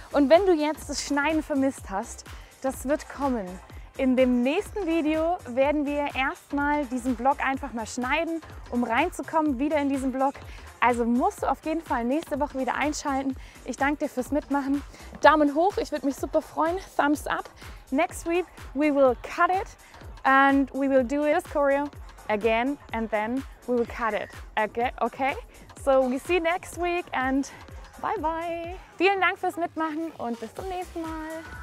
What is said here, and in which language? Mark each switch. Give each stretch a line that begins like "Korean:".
German: Und wenn du jetzt das Schneiden vermisst hast, das wird kommen. In dem nächsten Video werden wir erstmal diesen Block einfach mal schneiden, um reinzukommen wieder in diesen Block. Also musst du auf jeden Fall nächste Woche wieder einschalten. Ich danke dir fürs Mitmachen. Daumen hoch, ich würde mich super freuen.
English: Thumbs up. Next week we will cut it and we will do this choreo again and then we will cut it. Okay? So we see you next week and bye bye.
German: Vielen Dank fürs Mitmachen und bis zum nächsten Mal.